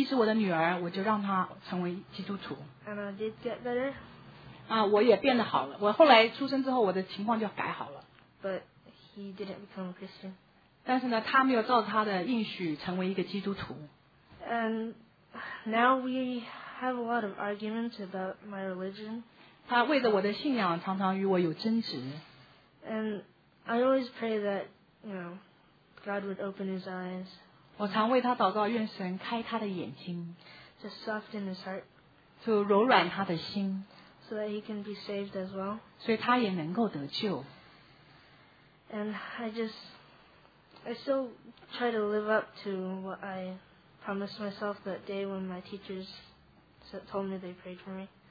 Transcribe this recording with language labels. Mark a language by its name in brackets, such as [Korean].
[Chinese] 他说他那个时候曾经向神祷告,若是你医治我的女儿,我就让她成为基督徒。 [English] And I did get better. [Chinese] 我也变得好了,我后来出生之后我的情况就改好了。 [English] But he didn't become a Christian. [Chinese] 但是呢,他没有照他的应许成为一个基督徒。 [English] And now we have a lot of arguments about my religion. [Chinese] 他为着我的信仰常常与我有争执。 [English] And I always pray that, you know, God would open his eyes. [Chinese] 我常为他祷告,愿神开他的眼睛, [English] to soften his heart. [Chinese] 就柔软他的心, [English] so that he can be saved as well. [Chinese] 所以他也能够得救。 [English] And I still try to live up to what I promised myself that day when my teachers told me they prayed for me.